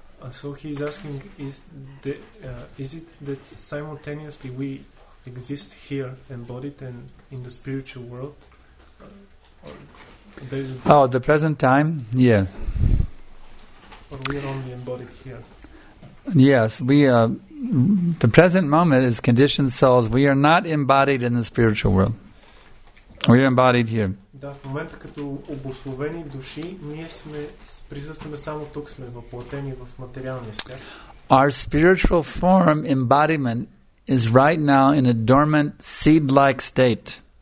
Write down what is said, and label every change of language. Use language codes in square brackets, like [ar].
[en] So he's asking, is it that simultaneously we exist here embodied and in the spiritual world? Oh, the present time? Yeah. But we are only embodied here. Yes, we are. The present moment is conditioned souls. We are not embodied in the spiritual world. We are embodied here. [bg] Да, в момента като обусловени души, ние сме присъстваме само тук, сме въплътени в материалния свят. [en] Our spiritual form embodiment is right now in a dormant seed-like state.